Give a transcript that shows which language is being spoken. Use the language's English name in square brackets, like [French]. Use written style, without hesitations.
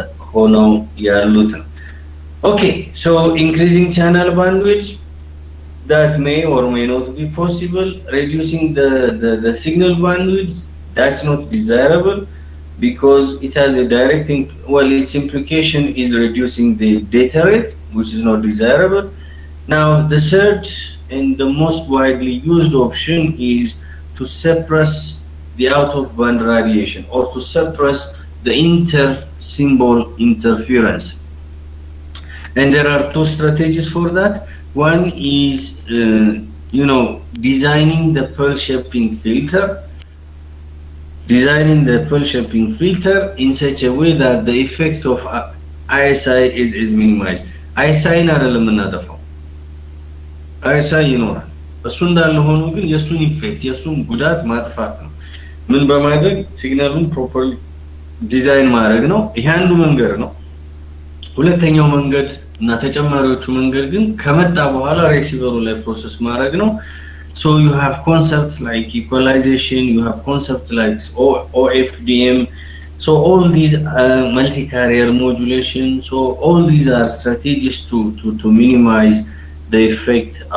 [Amharic] ሆነው ያሉት። [English] ኦኬ ሶ ኢንክሪዚንግ ቻናል ባንድዊድዝ ዳት ሜይ ኦር ሜይ ኖት ቢ ፖሲብል፣ ሬዲዩሲንግ ዘ ሲግናል ባንድዊድዝ ዳትስ ኖት ዲዛይረብል ቢኮዝ ኢት ሃዝ ዳይሬክት ዌል ኢትስ ኢምፕሊኬሽን ኢዝ ሬዲዩሲንግ ዘ ዳታ ሬት which is not desirable. Now, the third and the most widely used option is to suppress the out-of-band radiation or to suppress the inter-symbol interference. And there are two strategies for that. One is, designing the pulse-shaping filter. Designing the pulse-shaping filter in such a way that the effect of ISI is minimized. [Amharic] አይሳይን አይደለም እናጠፋው። አይሳይ ይኖራል፣ እሱ እንዳለ ሆኖ ግን የእሱን ኢፌክት የእሱን ጉዳት ማጥፋት ነው። ምን በማድረግ ሲግናሉን ፕሮፐርሊ design ማረግ ነው ይሄ አንዱ መንገድ ነው ሁለተኛው መንገድ እና ተጨማሪዎቹ መንገድ ግን ከመጣ በኋላ ሪሲቨሩ ላይ process ማረግ ነው [English] so you have concepts like equalization you have concepts like OFDM so all these multi-carrier modulation so all these are strategies to minimize the effect